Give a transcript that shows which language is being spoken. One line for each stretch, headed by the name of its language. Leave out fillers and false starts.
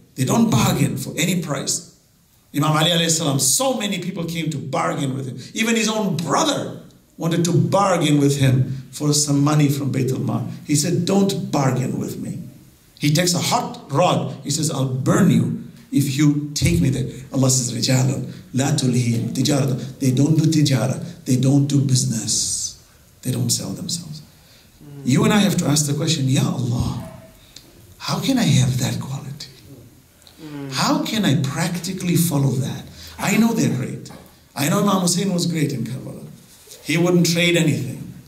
English: They don't bargain for any price. Imam Ali alayhi salam, so many people came to bargain with him. Even his own brother wanted to bargain with him for some money from Baytul Mar. He said, don't bargain with me. He takes a hot rod. He says, I'll burn you if you take me there. Allah says,
Arabic: رِجَالٌ لَا تُلْهِيهِمْ تِجَارَةٌ.
English: They don't do tijara. They don't do business. They don't sell themselves. You and I have to ask the question, Ya Allah, how can I have that quality? How can I practically follow that? I know they're great. I know Imam Hussain was great in Karbala. He wouldn't trade anything.